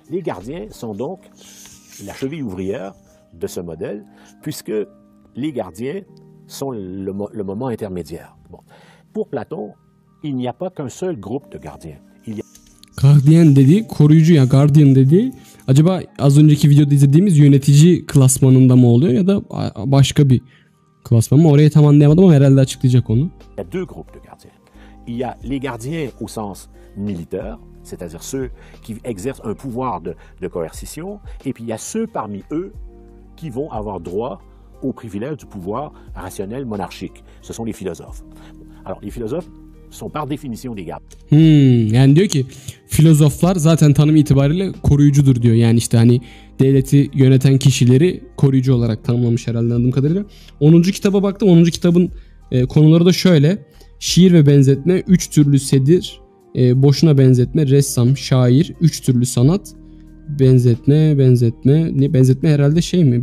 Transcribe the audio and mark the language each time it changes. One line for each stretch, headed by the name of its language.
French: Les gardiens sont donc la cheville ouvrière de ce modèle, puisque les gardiens sont le moment intermédiaire. Bon. Pour Platon, il n'y a pas qu'un seul groupe de gardiens. Il y a...
Turkish: Gardien dedi, koruyucu ya, guardian dedi. Acaba az önceki videoda izlediğimiz yönetici klasmanında mı oluyor ya da başka bir klasman mı? Orayı tam anlayamadım ama herhalde açıklayacak onu.
French: Il y a deux groupes de gardiens. Il y a les gardiens au sens militaire, c'est-à-dire ceux qui exercent un pouvoir de coercition, et puis il y a ceux parmi eux qui vont avoir droit au privilège du pouvoir rationnel monarchique. Ce sont les philosophes. Alors, les philosophes sont par définition des gardes.
Turkish: Yani diyor ki, filozoflar zaten tanım itibariyle koruyucudur diyor. Yani işte hani devleti yöneten kişileri koruyucu olarak tanımlamış herhalde anladığım kadarıyla. 10. kitaba baktım. 10. kitabın konuları da şöyle. Şiir ve benzetme, üç türlü sedir, boşuna benzetme, ressam, şair, üç türlü sanat, benzetme herhalde şey mi?